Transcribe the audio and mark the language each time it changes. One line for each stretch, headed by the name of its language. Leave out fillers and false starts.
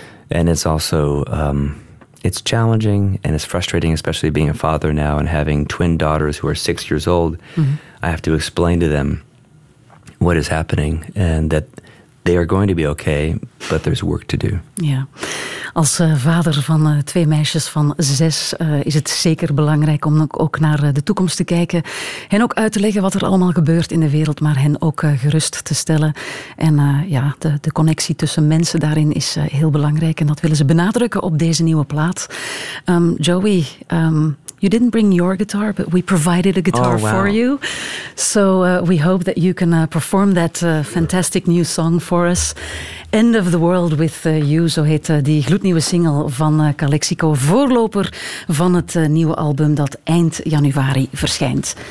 English: And it's also, it's challenging and it's frustrating, especially being a father now and having twin daughters who are 6 years old. Mm-hmm. I have to explain to them what is happening and that they are going to be okay, but there's work to do. Yeah.
Dutch: Als vader van twee meisjes van 6 is het zeker belangrijk om ook naar de toekomst te kijken. Hen ook uit te leggen wat er allemaal gebeurt in de wereld, maar hen ook gerust te stellen. En de connectie tussen mensen daarin is heel belangrijk. En dat willen ze benadrukken op deze nieuwe plaat.
English: Joey, you didn't bring your guitar, but we provided a guitar for you. So we hope that you can perform that fantastic new song for us.
Dutch: End of the World with You, zo heet die gloednieuwe single van Calexico. Voorloper van het nieuwe album dat eind januari verschijnt.